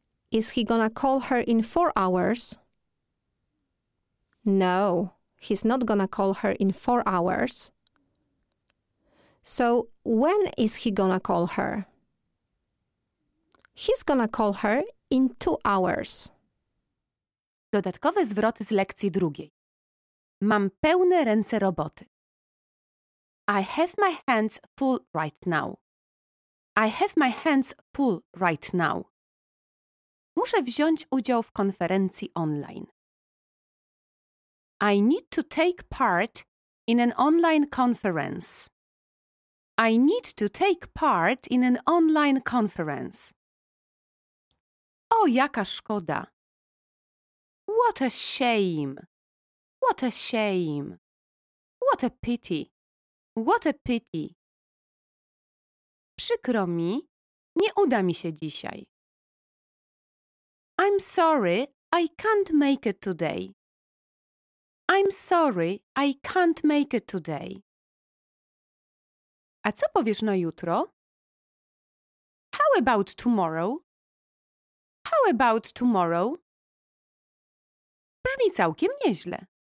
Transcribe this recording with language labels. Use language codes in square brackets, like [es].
[en] Is he gonna call her in 4 hours? No, he's not gonna call her in 4 hours. So, when is he gonna call her? He's gonna call her in 2 hours. [pl] Dodatkowe zwroty z lekcji drugiej. Mam pełne ręce roboty. [en] I have my hands full right now. I have my hands full right now. [pl] Muszę wziąć udział w konferencji online. [en] I need to take part in an online conference. I need to take part in an online conference. [pl] O, jaka szkoda. [en] What a shame. What a shame. What a pity. What a pity. [pl] Przykro mi, nie uda mi się dzisiaj. [en] I'm sorry, I can't make it today. I'm sorry, I can't make it today. [pl] A co powiesz na jutro? [en] How about tomorrow? How about tomorrow? [pl] Brzmi całkiem nieźle.